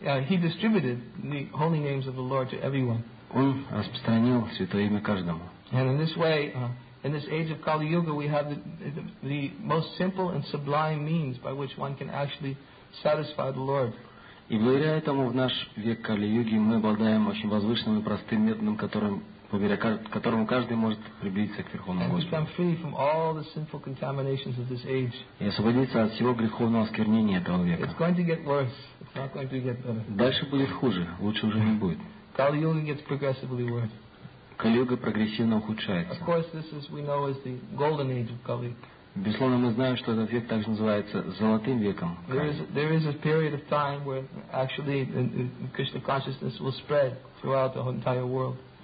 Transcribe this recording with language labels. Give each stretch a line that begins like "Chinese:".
English: He distributed the holy names of the Lord to everyone.
Russian: Он распространил святое имя каждому.
English: And in this way. In this age of Kali Yuga, we have the most simple and sublime means by which one can actually satisfy the Lord.
Russian: И благодаря этому в наш век Кали Юги мы обладаем очень возвышенным и простым методом, которому каждый может приблизиться к Верховному Господу.
English: And become free from all the sinful contaminations of this age.
Russian: И освободиться от всего греховного осквернения этого века.
English: It's going to get worse. It's not going to get better.
Russian: Дальше будет хуже. Лучше уже не будет.
English: Kali Yuga gets progressively worse.
Russian: Кали-юга прогрессивно ухудшается.
English: Of course, this is, we know, is the golden age of Kali.
Russian: Безусловно, мы знаем, что этот век также называется Золотым веком.
English: There is a period of time where actually Krishna consciousness will spread throughout the entire world.